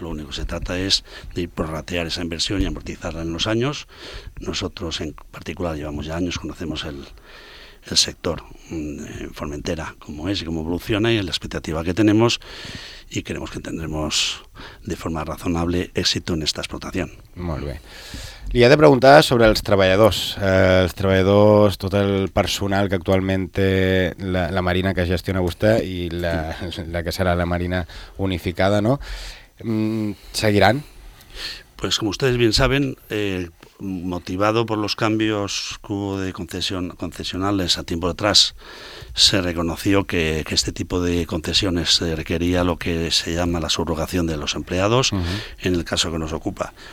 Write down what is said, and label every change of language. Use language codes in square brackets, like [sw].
[es] Lo único que se trata es de ir prorratear esa inversión y amortizarla en los años. Nosotros en particular llevamos ya años, conocemos el sector en Formentera, cómo es y cómo evoluciona y la expectativa que tenemos, y creemos que tendremos de forma razonable éxito en esta explotación. [ca] Molt bé. Li he de preguntar sobre els treballadors, tot el personal que actualment té la Marina que gestiona vostè i la que serà la Marina unificada, no? ¿Seguiran? [es] Pues como ustedes bien saben, motivado por los cambios que hubo de concesionales a tiempo atrás, se reconoció que este tipo de concesiones requería lo que se llama la subrogación de los empleados, en el caso que nos ocupa.